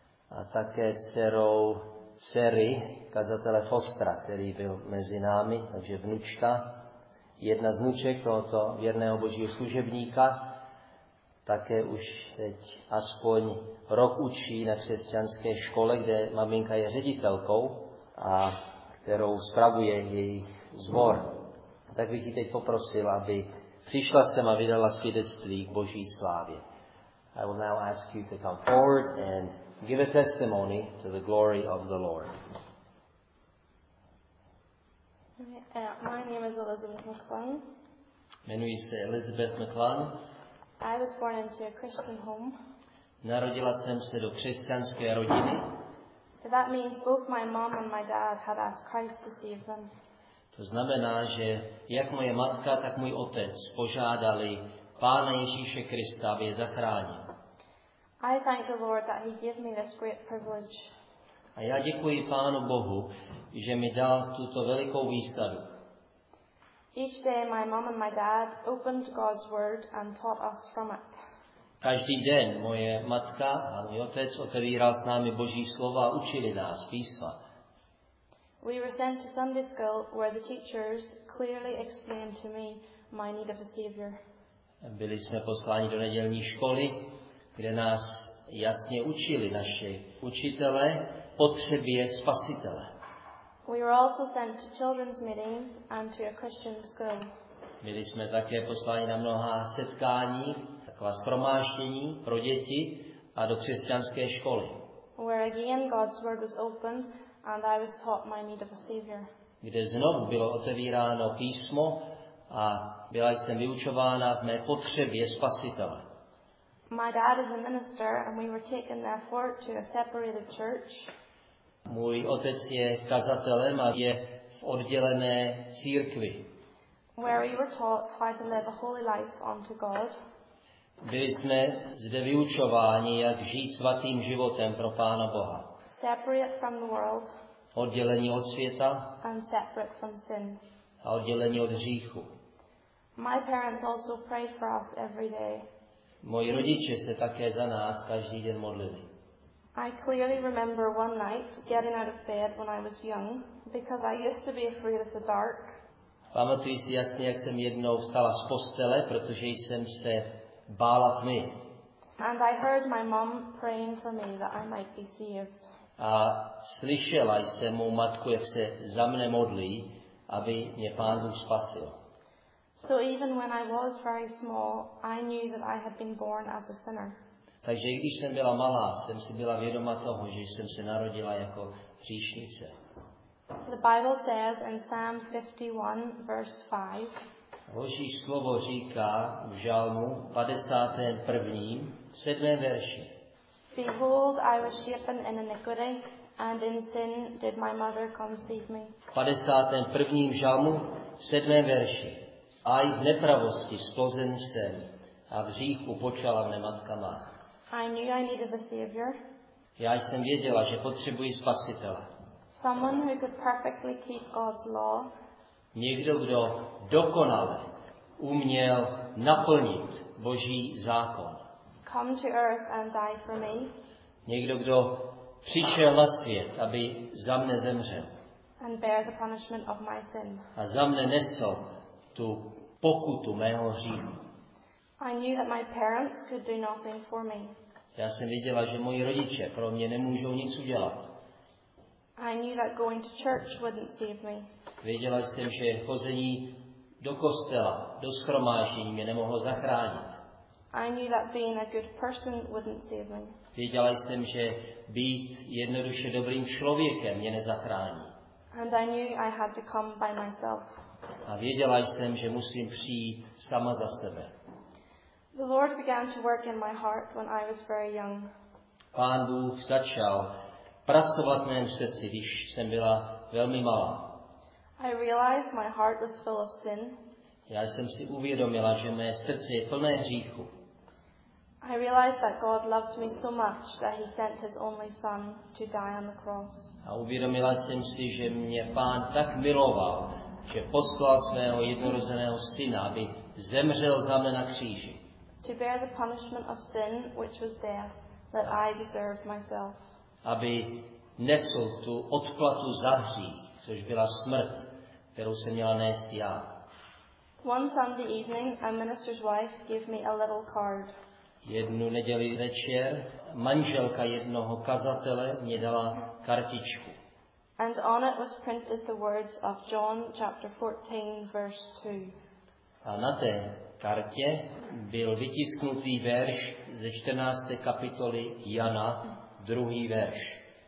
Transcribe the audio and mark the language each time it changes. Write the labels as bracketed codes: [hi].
[cs] a také dcerou dcery kazatele Fostra, který byl mezi námi, takže vnučka, jedna z vnuček tohoto věrného božího služebníka, také už teď aspoň rok učí na křesťanské škole, kde maminka je ředitelkou a kterou spravuje jejich sbor. Tak bych ji teď poprosil, aby přišla sem a vydala svědectví k boží slávě. [en] I will now ask you to come forward and give a testimony to the glory of the Lord. My name is Elizabeth McClung. [cs] Jmenuji se Elizabeth McClung. [en] I was born into a Christian home. [cs] Narodila jsem se do křesťanské rodiny. [en] That means both my mom and my dad had asked Christ to save them. [cs] To znamená, že jak moje matka, tak můj otec požádali Pána Ježíše Krista, aby je zachránil. [en] I thank the Lord that he gave me this great privilege. [cs] A já děkuji Pánu Bohu, že mi dal tuto velikou výsadu. [en] Each day my mom and my dad opened God's word and taught us from it. [cs] Každý den moje matka a můj otec otevíral s námi Boží slova a učili nás písma. [en] We were sent to Sunday school where the teachers clearly explained to me my need of a savior. [cs] Byli jsme posláni do nedělní školy, kde nás jasně učili naši učitelé potřebě spasitele. [en] We were also sent to children's meetings and to a Christian school. [cs] Byli jsme také posláni na mnohá setkání, taková shromáždění pro děti a do křesťanské školy. [en] Where again God's word was opened and I was taught my need of a savior. [cs] Kde znovu bylo otevíráno písmo a byla jsem vyučována v mé potřebě spasitele. [en] My dad is a minister and we were taken therefore to a separated church. [cs] Můj otec je kazatelem a je v oddělené církvi. [en] Where we were taught how to live a holy life unto God. [cs] Byli jsme zde vyučováni, jak žít svatým životem pro Pána Boha. [en] Separate from the world. [cs] Oddělení od světa. [en] And separate from sin. [cs] A oddělení od hříchu. [en] My parents also pray for us every day. [cs] Moji rodiče se také za nás každý den modlili. [en] I clearly remember one night getting out of bed when I was young because I used to be afraid of the dark. [cs] Pamatuji si jasně, jak jsem jednou vstala z postele, protože jsem se bála tmy. [en] And I heard my mom praying for me that I might be saved. [cs] A slyšela jsem mou matku, jak se za mne modlí, aby mě Pán Bůh spasil. [en] So even when I was very small, I knew that I had been born as a sinner. [cs] Takže i když jsem byla malá, jsem si byla vědoma toho, že jsem se narodila jako hříšnice. [en] The Bible says in Psalm 51 verse 5. [cs] Boží slovo říká v Žalmu 51. 7. verši. [en] Behold, I was shapen in iniquity, and in sin did my mother conceive me. [cs] V 51. Žalmu 7. verši. Aj v nepravosti splozen jsem a v hříchu počala mne matka má. [en] I knew I needed a savior. [cs] Já jsem věděla, že potřebuji spasitele. [en] Someone who could perfectly keep God's law. [cs] Někdo, kdo dokonale uměl naplnit Boží zákon. [en] Come to earth and die for me. [cs] Někdo, kdo přišel na svět, aby za mne zemřel. [en] And bear the punishment of my sin. [cs] A za mne nesl tu pokutu mého hříchu. [en] I knew that my parents could do nothing for me. [cs] Já jsem věděla, že moji rodiče pro mě nemůžou nic udělat. [en] I knew that going to church wouldn't save me. [cs] Věděla jsem, že chození do kostela, do shromáždění mě nemohlo zachránit. [en] I knew that being a good person wouldn't save me. [cs] Věděla jsem, že být jednoduše dobrým člověkem mě nezachrání. [en] And I knew I had to come by myself. [cs] A věděla jsem, že musím přijít sama za sebe. [en] The Lord began to work in my heart when I was very young. [cs] Pán Bůh začal pracovat v mém srdci, když jsem byla velmi malá. [en] I realized my heart was full of sin. [cs] Já jsem si uvědomila, že mé srdce je plné hříchu. [en] I realized that God loved me so much that he sent his only son to die on the cross. [cs] A uvědomila jsem si, že mě Pán tak miloval, že poslal svého jednorozeného syna, aby zemřel za mě na kříži. [en] To bear the punishment of sin, which was death, that I deserved myself. [cs] Aby nesl tu odplatu za hřích, což byla smrt, kterou jsem měla nést já. [en] One Sunday evening, a minister's wife gave me a little card. [cs] Jednu neděli večer manželka jednoho kazatele mě dala kartičku. [en] And on it was printed the words of John chapter 14 verse 2. [cs] A na té kartě byl vytisknutý verš ze 14. kapitoly Jana, druhý verš.